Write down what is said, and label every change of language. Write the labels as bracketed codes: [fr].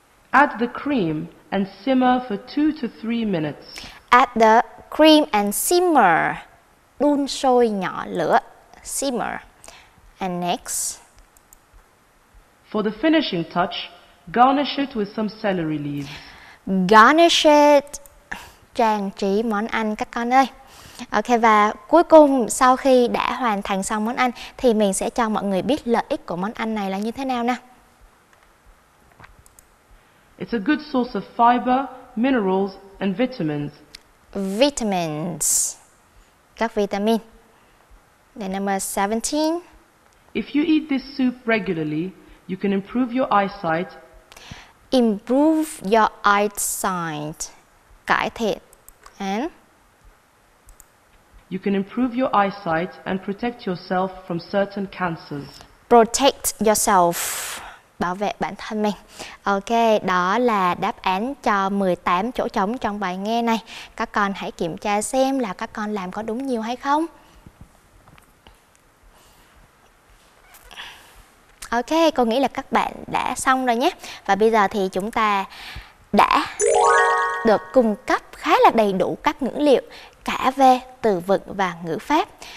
[en] Add the cream and simmer for 2 to 3 minutes. Add the cream and simmer. [vi] Đun sôi nhỏ lửa. [en] Simmer. And next. For the finishing touch, garnish it with some celery leaves. Garnish it. [vi] Trang trí món ăn các con ơi. Ok, và cuối cùng sau khi đã hoàn thành xong món ăn thì mình sẽ cho mọi người biết lợi ích của món ăn này là như thế nào nè. [en] It's a good source of fiber, minerals and vitamins. Vitamins. [vi] Các vitamin. [en] Then number 17. If you eat this soup regularly, you can improve your eyesight. Improve your eyesight. [vi] Cải thiện. [en] And you can improve your eyesight and protect yourself from certain cancers. Protect yourself. [vi] Bảo vệ bản thân mình. Ok, đó là đáp án cho 18 chỗ trống trong bài nghe này. Các con hãy kiểm tra xem là các con làm có đúng nhiều hay không. Ok, cô nghĩ là các bạn đã xong rồi nhé. Và bây giờ thì chúng ta đã được cung cấp khá là đầy đủ các ngữ liệu cả về từ vựng và ngữ pháp.